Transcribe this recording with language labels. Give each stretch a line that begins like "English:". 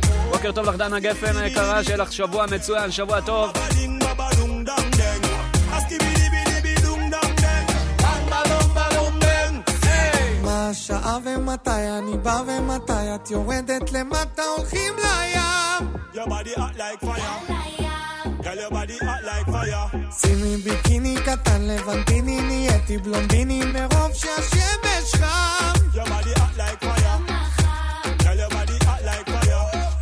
Hebrew: בוקר טוב לך דנה גפן היקרה, שיהיה לך שבוע מצוין, שבוע טוב. שעה ומתי אני בא ומתי את יורדת למטה הולכים לים
English: Your body act like fire Girl your body act like fire
Hebrew: שימי ביקיני קטן לבנטיני נהייתי בלונדיני מרוב שהשמש חם
English: Your body act like fire Girl your body act like fire